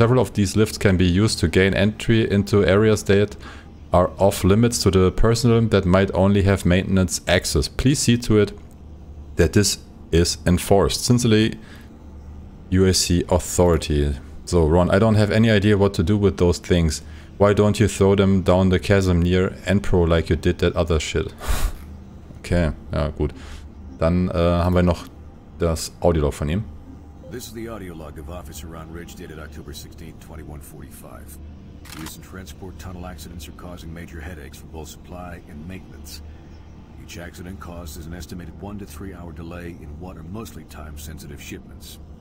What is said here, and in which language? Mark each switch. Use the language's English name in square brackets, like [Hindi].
[English] Several of these lifts can be used to gain entry into areas that are off limits to the personnel that might only have Maintenance Access. Please see to it that this is enforced. Sincerely, UAC Authority. So, Ron, I don't have any idea what to do with those things. Why don't you throw them down the chasm near Enpro like you did that other shit? [German] Okay, ja, gut. Dann haben wir noch das Audiolog von ihm. [English] This is the audio log of Officer Ron Ridge, dated October 16, 2145. Recent transport tunnel accidents are causing major headaches for both supply and maintenance. Each accident caused is an estimated 1 to 3 hour delay in what are mostly time-sensitive shipments.